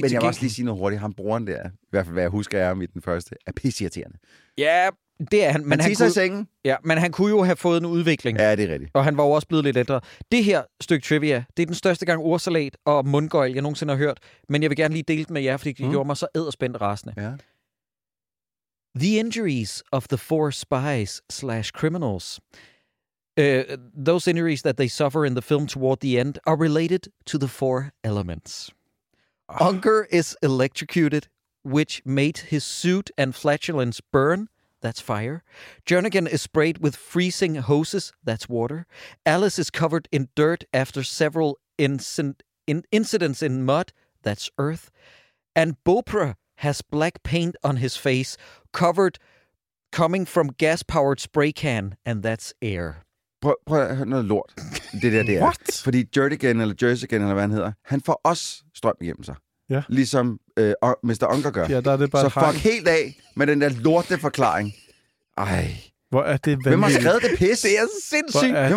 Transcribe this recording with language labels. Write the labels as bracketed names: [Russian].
[Danish] men jeg må også lige sige noget hurtigt. Han broren der, i hvert fald hvad jeg husker er om i den første, er pissirriterende. Ja, det er han. Men han tisser i sengen. Ja, men han kunne jo have fået en udvikling. Ja, det er rigtigt. Og han var jo også blevet lidt ældre. Det her stykke trivia, det er den største gang ordsalat og mundgøjl, jeg nogensinde har hørt. Men jeg vil gerne lige dele det med jer, fordi det gjorde mig så edderspændt rasende. Ja. [English] The injuries of the 4 spies / criminals. Those injuries that they suffer in the film toward the end are related to the 4 elements. Unger is electrocuted which made his suit and flatulence burn. That's fire. Jernigan is sprayed with freezing hoses. That's water. Alice is covered in dirt after several incidents in mud. That's earth. And Bopra has black paint on his face, covered, coming from gas-powered spray can, and that's air. [Danish] Prøv at høre noget lort, det der, det er. [English] What? [Danish] Fordi Jernigan, eller Jernigan, eller hvad han hedder, han får også strøm igennem sig. Ja. Ligesom Mr. Unger gør. Ja, der er det bare så fuck hang. Helt af med den der lorte forklaring. Ej. Hvor er det vanvittigt. Hvem har skrevet det pis? Det er sindssygt.